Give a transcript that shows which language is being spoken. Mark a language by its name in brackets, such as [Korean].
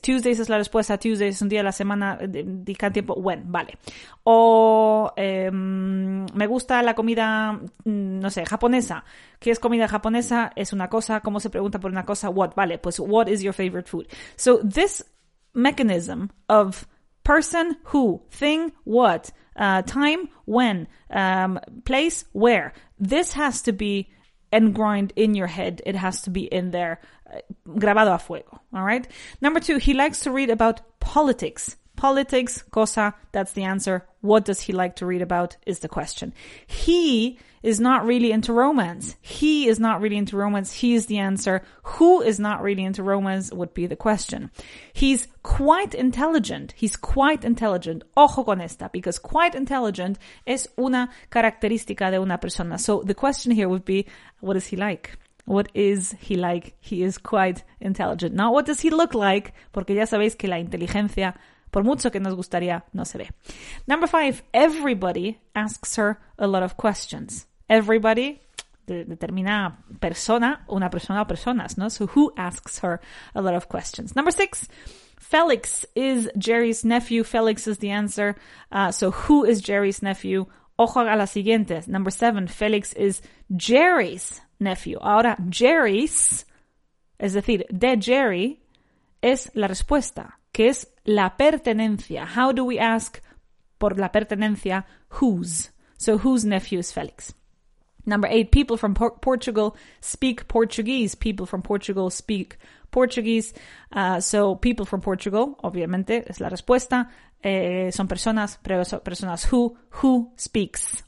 [Spanish] Tuesdays es la respuesta. Tuesdays es un día de la semana, dedican tiempo. When, vale. O me gusta la comida, no sé, japonesa. ¿Qué es comida japonesa? Es una cosa. ¿Cómo se pregunta por una cosa? What, vale. [English] Pues, what is your favorite food? So, this mechanism of person, who, thing, what, time, when, place, where. This has to be ingrained in your head. It has to be in there, [Spanish] grabado a fuego. [English] All right. Number two, he likes to read about politics. Politics, cosa, that's the answer. What does he like to read about is the question. He is not really into romance. He is not really into romance. He is the answer. Who is not really into romance would be the question. He's quite intelligent. He's quite intelligent. [Spanish] Ojo con esta, [English] because quite intelligent [Spanish] es una característica de una persona. [English] So the question here would be, what is he like? What is he like? He is quite intelligent. Not what does he look like, [Spanish] porque ya sabéis que la inteligencia, por mucho que nos gustaría, no se ve. [English] Number five, everybody asks her a lot of questions. [Spanish] Everybody, determina persona, una persona o personas, ¿no? [English] So who asks her a lot of questions? Number six, Felix is Jerry's nephew. Felix is the answer. So who is Jerry's nephew? [Spanish] Ojo a la siguiente. [English] Number seven, Felix is Jerry's nephew. [Spanish] Ahora, Jerry's, es decir, de Jerry, es la respuesta, que es la pertenencia. [English] How do we ask [Spanish] por la pertenencia? [English] Whose? So whose nephew is Felix? Number eight, people from Portugal speak Portuguese. People from Portugal speak Portuguese. So people from Portugal, [Spanish] obviamente, es la respuesta. Son personas, personas [English] who speaks.